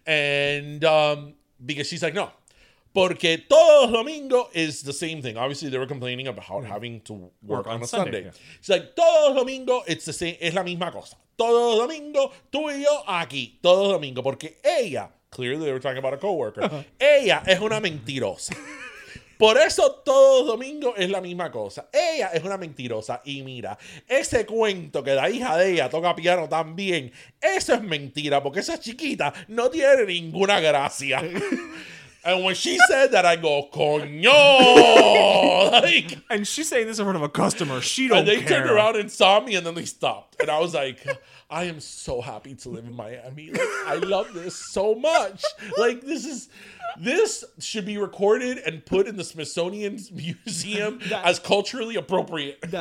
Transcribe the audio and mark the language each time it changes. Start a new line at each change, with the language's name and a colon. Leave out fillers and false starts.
English: And because she's like,
Spanish: no, porque todo domingo
English: is the same thing. Obviously, they were complaining about having to work on a Sunday. Yeah. She's like,
Spanish: todo domingo,
English: it's the same.
Spanish: Es la misma cosa. Todo domingo, tú y yo aquí. Todo domingo, porque ella,
English: clearly they were talking about a coworker.
Spanish: Ella es una mentirosa. Por eso todos los domingos es la misma cosa. Ella es una mentirosa. Y mira, ese cuento que la hija de ella toca piano también, eso es mentira, porque esa chiquita no tiene ninguna gracia.
English: And when she said that, I go, coño! Like, and she's saying this in front of a customer. She don't care. And they care. Turned around and saw me, and then they stopped. And I was like, I am so happy to live in Miami. Like, I love this so much. Like, this is... This should be recorded and put in the Smithsonian Museum that, as culturally appropriate.